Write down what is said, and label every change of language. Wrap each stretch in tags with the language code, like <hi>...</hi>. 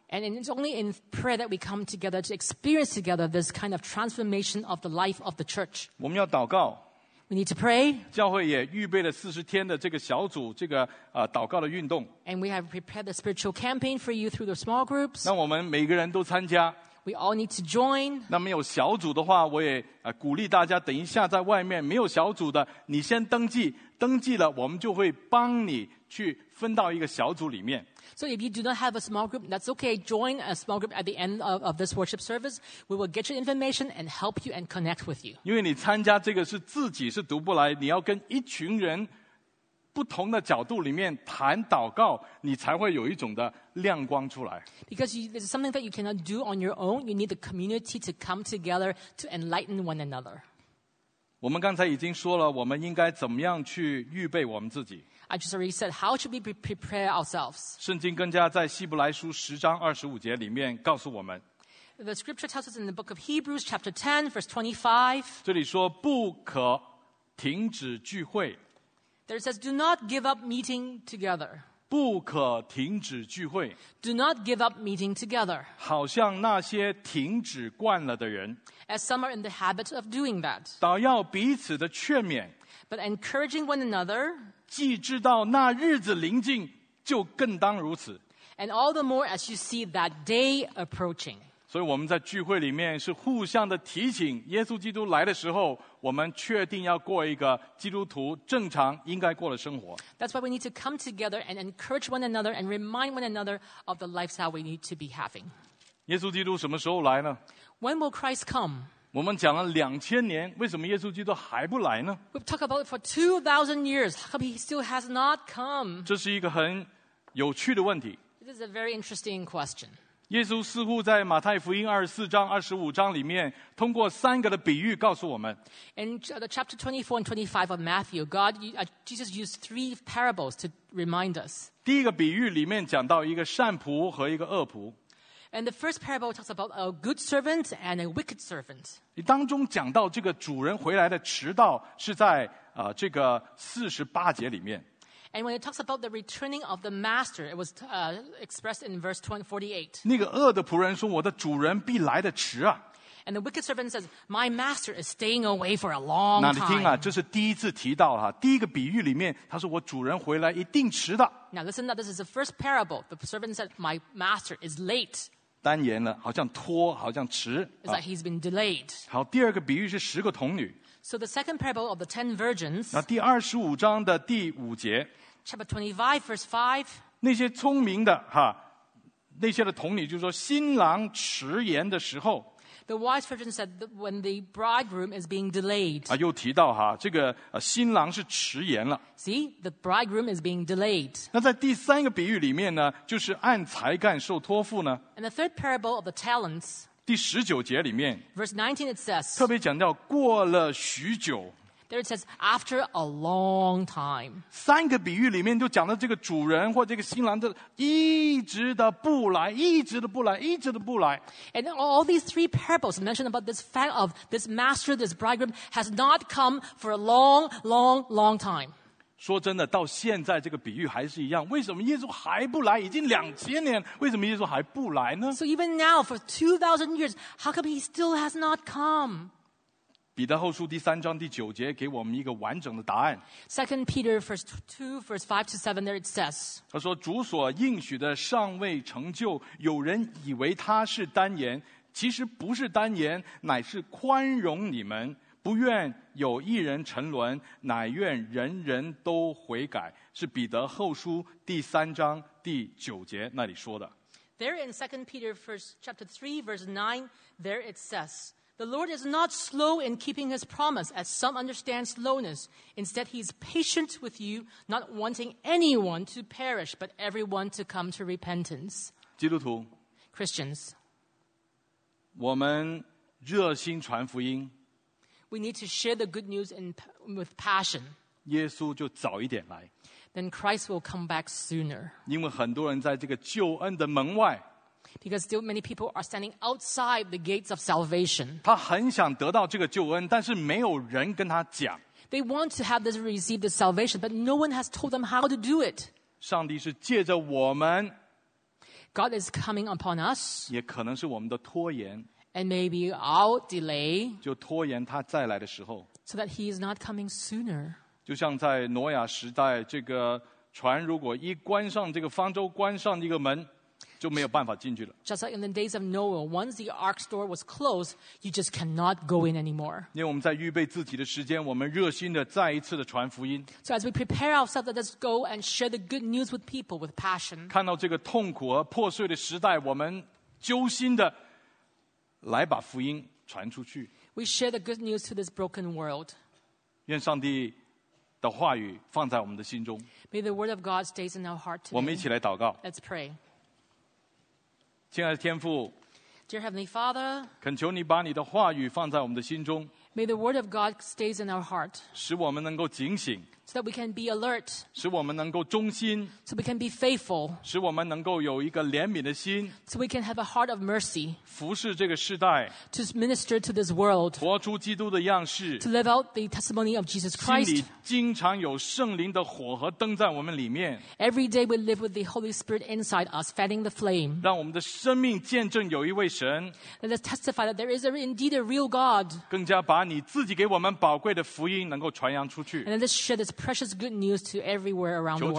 <en>And it's only in prayer that we come together to experience together this kind of transformation of the life of the church.</en> <zh>我们要祷告。</zh> <en>We need to pray.</en> <zh>教会也预备了40天的这个小组, 这个祷告的运动。</zh> <en>And we have prepared the spiritual campaign for you through the small groups.</en> <zh>让我们每个人都参加。</zh> <en>We all need to join.</en> <zh>那没有小组的话, 我也鼓励大家等一下在外面没有小组的, 你先登记, 登记了, 我们就会帮你去分到一个小组里面。</zh> <en>So if you do not have a small group, that's okay. Join a small group at the end of this worship service. We will get your information and help you and connect with you.</en> <zh>因为你参加这个是自己是读不来, 你要跟一群人不同的角度里面谈祷告, 你才会有一种的,</zh> <en>Because this is something that you cannot do on your own. You need the community to come together to enlighten one another.</en> <zh>我们刚才已经说了, 我们应该怎么样去预备我们自己。</zh> <en>I just already said, how should we prepare ourselves?</en> <zh>圣经更加在希伯来书10章25节里面告诉我们,</zh> <en>The scripture tells us in the book of Hebrews, chapter 10, verse 25,</en> <zh>这里说不可停止聚会。</zh> <en>There it says, do not give up meeting together.</en> <zh>不可停止聚会,</zh> <en>Do not give up meeting together.</en> <zh>好像那些停止惯了的人,</zh> <en>As some are in the habit of doing that.</en> <zh>倒要彼此的劝勉,</zh> <en>But encouraging one another.</en> <zh>既知道那日子临近, 就更当如此。</zh> <en>And all the more as you see that day approaching.</en> <zh>所以我们在聚会里面是互相的提醒, 耶稣基督来的时候, 我们确定要过一个基督徒正常应该过的生活。</zh> <en>That's why we need to come together and encourage one another and remind one another of the lifestyle we need to be having.</en> <zh>耶稣基督什么时候来呢?</zh> <en>When will Christ come?</en> <zh>我们讲了2000年, 为什么耶稣基督还不来呢?</zh> <en>We've talked about it for 2,000 years. How come he still has not come?</en> <zh>这是一个很有趣的问题。</zh> <en>This is a very interesting question.</en> <zh>耶稣似乎在马太福音24章25章里面 通过三个的比喻告诉我们</zh> <en>In chapter 24 and 25 of Matthew, Jesus used three parables to remind us.</en> <zh>第一个比喻里面讲到一个善仆和一个恶仆。</zh> <en>And the first parable talks about a good servant and a wicked servant.</en> <zh>当中讲到这个主人回来的迟到是在这个48节里面。</zh> <en>And when it talks about the returning of the master, it was expressed in verse 48.</en> <zh>那个恶的仆人说, 我的主人必来得迟啊。</zh> <en>And the wicked servant says, my master is staying away for a long time.</en> <zh>哪里听啊, 这是第一次提到啊, 第一个比喻里面, 他说, 我主人回来一定迟的。</zh> <en>Now listen, that this is the first parable. The servant said, my master is late.</en> <zh>单言了, 好像拖, 好像迟,</zh> <en>It's like he's been delayed.</en> <zh>好, 第二个比喻是10个童女。</zh> <en>So the second parable of the 10 virgins,</en> <zh>那第25章的第5节,</zh> <en>chapter 25, verse 5,</en> <zh>那些聪明的, 哈, 那些的童女就说, 新郎迟延的时候,</zh> <en>the wise virgin said that when the bridegroom is being delayed,</en> <zh>啊, 又提到, 哈, 这个, 新郎是迟延了,</zh> <en>see, the bridegroom is being delayed.</en> <zh>那在第三个比喻里面呢, 就是按才干受托付呢,</zh> <en>and the third parable of the talents,</en> <zh>第19节里面,</zh> <en>Verse 19 it says,</en> <zh>特别讲到过了许久,</zh> <en>There it says, after a long time.</en> <zh>三个比喻里面就讲到这个主人或这个新郎的一直的不来。</zh> <en>And all these three parables mentioned about this fact of this master, this bridegroom, has not come for a long, long, long time.</en> <zh>说真的,到现在这个比喻还是一样, 为什么耶稣还不来? 已经2000年, 为什么耶稣还不来呢?</zh> <en>So even now, for 2,000 years, how come he still has not come?</en> <zh>彼得后书第3章第9节, 给我们一个完整的答案。</zh> <en>2 Peter 2:5-7, there it says,</en> <zh>他说, 主所应许的尚未成就, 有人以为他是单言, 其实不是单言, 乃是宽容你们, 不愿有一人沉沦，乃愿人人都悔改，是彼得后书第3章第9节那里说的。</zh> <en>There in 2 Peter 3:9, there it says, the Lord is not slow in keeping his promise, as some understand slowness. Instead, he is patient with you, not wanting anyone to perish, but everyone to come to repentance.</en> <zh>基督徒,</zh> <en>Christians,</en> <zh>我们热心传福音。</zh> <en>We need to share the good news with passion.</en> <zh>耶稣就早一点来,</zh> <en>then Christ will come back sooner.</en> <zh>因为很多人在这个救恩的门外,</zh> <en>because still many people are standing outside the gates of salvation.</en> <zh>他很想得到这个救恩, 但是没有人跟他讲,</zh> <en>they want to have this receive the salvation, but no one has told them how to do it.</en> <zh>上帝是借着我们,</zh> <en>God is coming upon us.</en> <zh>也可能是我们的拖延,</zh> <en>and maybe I'll delay so that he is not coming sooner.</en> <zh>就像在挪亚时代, 这个船如果一关上这个方舟关上一个门,</zh> <en>just like in the days of Noah, once the ark's door was closed, you just cannot go in anymore.</en> <zh>因为我们在预备自己的时间, 我们热心地再一次地传福音,</zh> <en>so as we prepare ourselves, let us go and share the good news with people with passion.</en> <zh>看到这个痛苦和破碎的时代, 我们揪心地,</zh> <en>we share the good news to this broken world. May the word of God stays in our heart today. Let's pray.</en> <zh>亲爱的天父,</zh> <en>Dear Heavenly Father,</en> <zh>恳求你把你的话语放在我们的心中,</zh> <en>may the word of God stays in our heart,</en> <zh>使我们能够警醒,</zh> <en>so that we can be alert,</en> <zh>使我们能够忠心,</zh> <en>so we can be faithful,</en> <zh>使我们能够有一个怜悯的心,</zh> <en>so we can have a heart of mercy,</en> <zh>服侍这个世代,</zh> <en>to minister to this world,</en> <zh>活出基督的样式,</zh> <en>to live out the testimony of Jesus Christ.</en> <zh>心里经常有圣灵的火和灯在我们里面,</zh> <en>every day we live with the Holy Spirit inside us, fanning the flame.</en> <zh>让我们的生命见证有一位神,</zh> <en>let us testify that there is indeed a real God,</en> <zh>更加把你自己给我们宝贵的福音能够传扬出去,</zh> <en>and let us share this precious good news to everywhere around the world.</en>